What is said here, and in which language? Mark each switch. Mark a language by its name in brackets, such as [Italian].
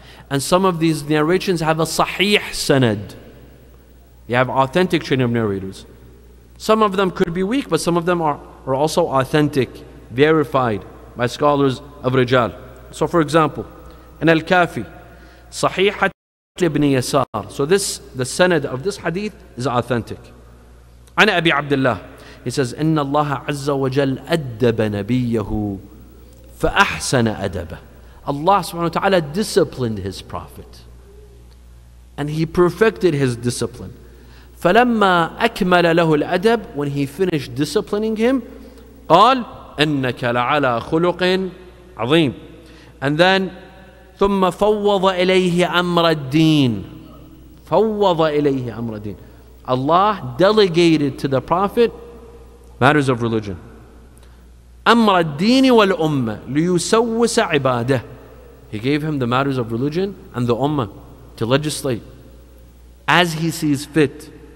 [English] And some of these narrations have a sahih sanad. You have authentic chain of narrators. Some of them could be weak, but some of them are also authentic, verified by scholars of Rijal. So for example, in Al-Kafi, Sahih ibn Yasar. So this, the sanad of this hadith is authentic. [Arabic] عن أبي عبد الله [English] he says [Arabic] إن الله عز وجل أدب نبيه فأحسن أدبه. [English] Allah subhanahu wa ta'ala disciplined his prophet and he perfected his discipline. [Arabic] فلما أكمل له الأدب, [English] when he finished disciplining him, [Arabic] قال إنك لعلى خلق عظيم. [English] And then [Arabic] ثم فوض إليه أمر الدين. فوض إليه أمر الدين. [English] Allah delegated to the Prophet matters of religion. [Arabic] أَمْرَ الدِّينِ وَالْأُمَّةِ لِيُسَوِّسَ عِبَادَهِ. [English] He gave him the matters of religion and the ummah to legislate as he sees fit.